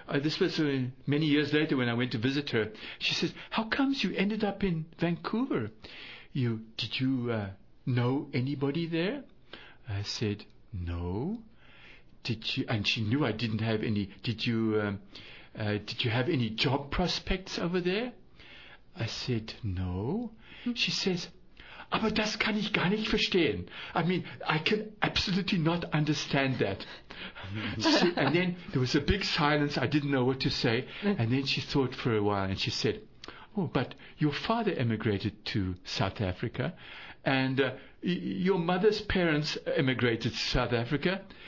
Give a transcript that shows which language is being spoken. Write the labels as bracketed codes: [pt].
[en] This was many years later when I went to visit her. She said, "How comes you ended up in Vancouver? Did you know anybody there?" I said, "No." "Did you?" And she knew I didn't have any. Did you have any job prospects over there?" I said, "No." She says, [de] "Aber das kann ich gar nicht verstehen. [en] I mean, I can absolutely not understand that." And then there was a big silence. I didn't know what to say. And then she thought for a while and she said, "Oh, but your father emigrated to South Africa. And your mother's parents emigrated to South Africa.